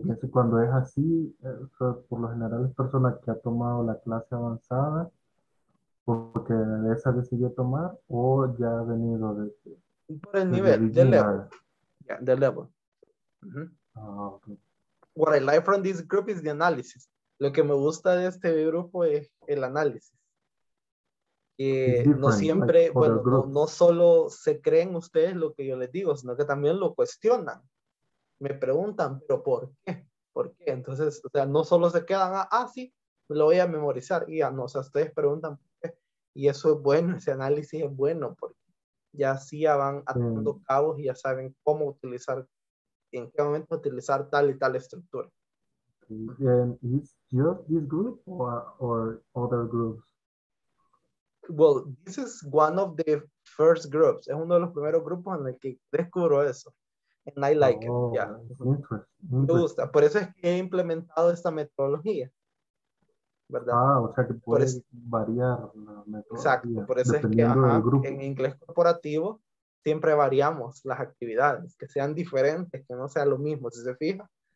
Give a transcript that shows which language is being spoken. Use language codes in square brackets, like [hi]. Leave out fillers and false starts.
[es] Cuando es así, por lo general es persona que ha tomado la clase avanzada porque esa decidió tomar o ya ha venido de... Por el nivel, de level. Yeah, de level. Uh-huh. Ah, [en] okay. What I like from this group is the analysis. [es] Lo que me gusta de este grupo es el análisis. No siempre, like, bueno, no solo se creen ustedes lo que yo les digo, sino que también lo cuestionan. Me preguntan, pero ¿por qué? ¿Por qué? Entonces, o sea, no solo se quedan, sí, lo voy a memorizar. Y ya no, o sea, ustedes preguntan por qué. Y eso es bueno, ese análisis es bueno, porque ya sí ya van atando cabos y ya saben cómo utilizar, en qué momento utilizar tal y tal estructura. [en] ¿Es just this group or other groups? Well, this is one of the first groups. [es] Es uno de los primeros grupos en el que descubro eso. [en] And I like it, yeah. Interesting. [es] Me gusta. Por eso es que he implementado esta metodología. ¿Verdad? O sea que puede variar la metodología. Exacto, por eso es que en inglés corporativo siempre variamos las actividades, que sean diferentes, que no sea lo mismo, si se fija.